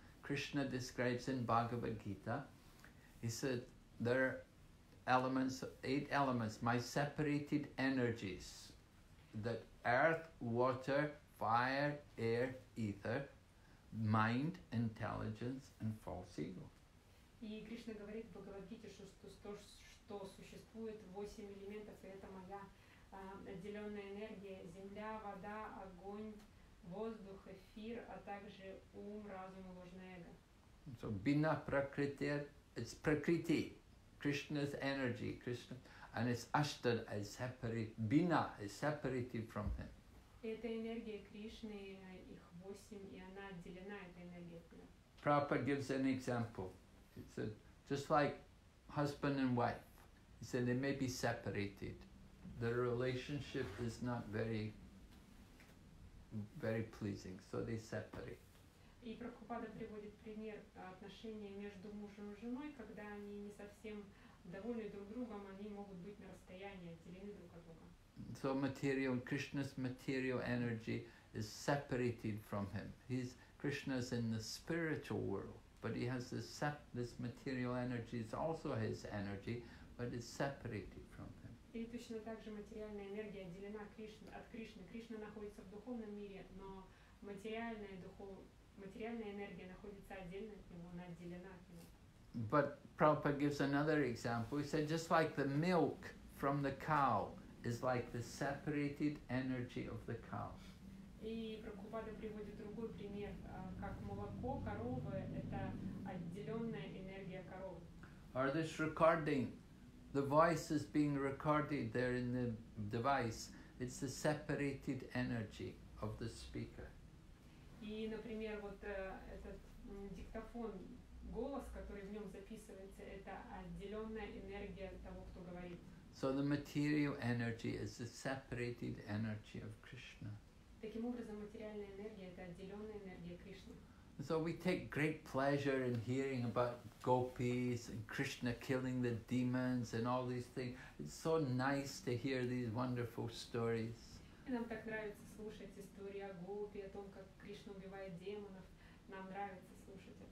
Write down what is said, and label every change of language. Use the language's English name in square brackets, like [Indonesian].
[English] Krishna describes in Bhagavad Gita, he said, there are elements, eight elements, my separated energies, that earth, water, fire, air, ether, mind, intelligence, and false ego. [Russian] И Кришна говорит в Бхагавад Гите, что существует восемь элементов, и это моя отделенная энергия, земля, вода, огонь, воздух, эфир, а также ум, разум и ложное эго. [English] So bina prakriti, it's prakriti, Krishna's energy, Krishna, and it's ashtada, it's separate, bina is separated from him. [Russian] Это энергия Кришны, их восемь, и она отделена, эта энергия. [English] Prabhupada gives an example. He said, just like husband and wife, he said, they may be separated. The relationship is not very pleasing, so they separate. [Russian] И Прабхупада приводит пример отношения между мужем и женой, когда они не совсем довольны друг другом, они могут быть на расстоянии, отделены друг от друга. [English] So material, Krishna's material energy is separated from him. Krishna's in the spiritual world, but he has this material energy, it's also his energy, but it's separated from him. [Russian] И точно так же материальная энергия отделена от Кришны. Кришна находится в духовном мире, но материальная энергия находится отдельно от него, она отделена от него. [English] But Prabhupada gives another example. He said, just like the milk from the cow is like the separated energy of the cow. [Russian] И Прабхупада приводит другой пример, как молоко коровы – это отделенная энергия коровы. [English] Or this recording. The voice is being recorded there in the device. It's the separated energy of the speaker. [Russian] И, например, вот этот диктофон, голос, который в нем записывается, это отделенная энергия того, кто говорит. [English] So the material energy is the separated energy of Krishna. [Russian] Таким образом, материальная энергия это отделенная энергия Кришны. [English] So we take great pleasure in hearing about gopis and Krishna killing the demons and all these things. It's so nice to hear these wonderful stories. [Russian] И нам так нравится слушать истории о гопи, о том, как Кришна убивает демонов. Нам нравится слушать.